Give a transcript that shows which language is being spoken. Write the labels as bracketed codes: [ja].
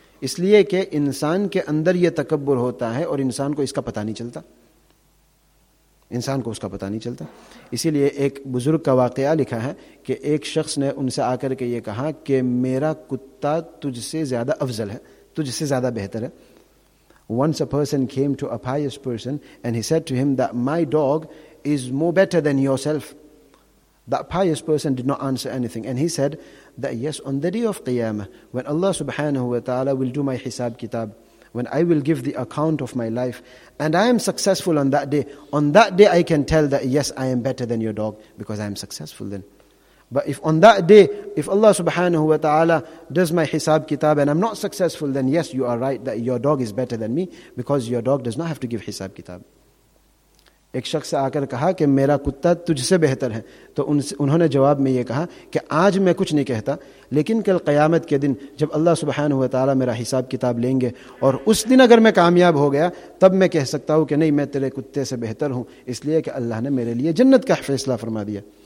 [ur] اس لیے کہ انسان کے اندر یہ تکبر ہوتا ہے اور انسان کو اس کا پتہ نہیں چلتا. اسی لیے ایک بزرگ کا واقعہ لکھا ہے کہ ایک شخص نے ان سے آ کر کے یہ کہا کہ میرا کتا تجھ سے زیادہ افضل ہے, تجھ سے زیادہ بہتر ہے. [en] Once a person came to a pious person and he said to him that my dog is more better than yourself. That pious person did not answer anything and he said that yes, on the day of Qiyamah, when Allah subhanahu wa ta'ala will do my hisab kitab, when I will give the account of my life, and I am successful on that day I can tell that yes, I am better than your dog, because I am successful then. But if on that day, if Allah subhanahu wa ta'ala does my hisab kitab and I'm not successful, then yes, you are right that your dog is better than me, because your dog does not have to give hisab kitab. [ur] ایک شخص سے آ کر کہا کہ میرا کتا تجھ سے بہتر ہے, تو انہوں نے جواب میں یہ کہا کہ آج میں کچھ نہیں کہتا, لیکن کل قیامت کے دن جب اللہ سبحانہ وتعالی میرا حساب کتاب لیں گے اور اس دن اگر میں کامیاب ہو گیا تب میں کہہ سکتا ہوں کہ نہیں, میں تیرے کتے سے بہتر ہوں, اس لیے کہ اللہ نے میرے لیے جنت کا فیصلہ فرما دیا.